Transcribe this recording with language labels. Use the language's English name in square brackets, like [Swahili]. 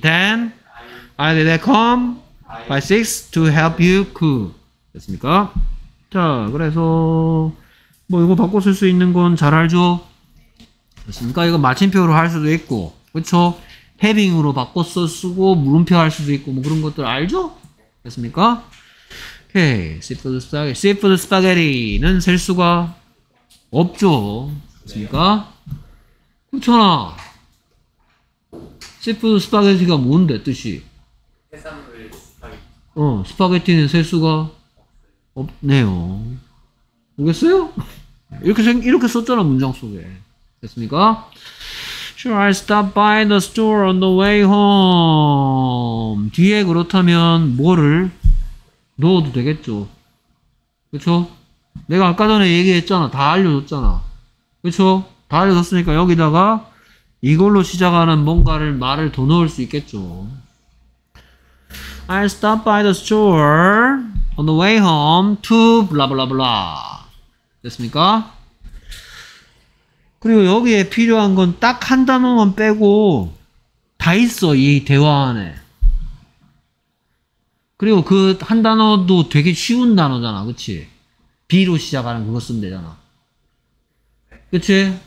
[English] Then I will come by 6 to help you cook. [Korean] 됐습니까? 자 그래서 뭐 이거 바꿔 쓸 수 있는 건 잘 알죠? 그니까 이거 마침표로 할 수도 있고, 그렇죠? Having으로 바꿔서 쓰고 물음표 할 수도 있고 뭐 그런 것들 알죠? 됐습니까? 오케이, seafood spaghetti. Seafood spaghetti는 셀 수가 없죠, 됐습니까? 그렇잖아. Seafood spaghetti가 뭔데 뜻이? 해산물 스파게티. 스파게티는 셀 수가 없네요. 모르겠어요? 이렇게 썼잖아 문장 속에. 됐습니까? [English] Sure, I'll stop by the store on the way home. [Korean] 뒤에 그렇다면 뭐를 넣어도 되겠죠. 그쵸? 내가 아까 전에 얘기했잖아. 다 알려줬잖아. 그쵸? 다 알려줬으니까 여기다가 이걸로 시작하는 뭔가를 말을 더 넣을 수 있겠죠. [English] I'll stop by the store on the way home to blah blah blah. [Korean] 됐습니까? 그리고 여기에 필요한 건 딱 한 단어만 빼고 다 있어 이 대화 안에. 그리고 그 한 단어도 되게 쉬운 단어잖아. 그치? B로 시작하는 그거 쓰면 되잖아. 그치?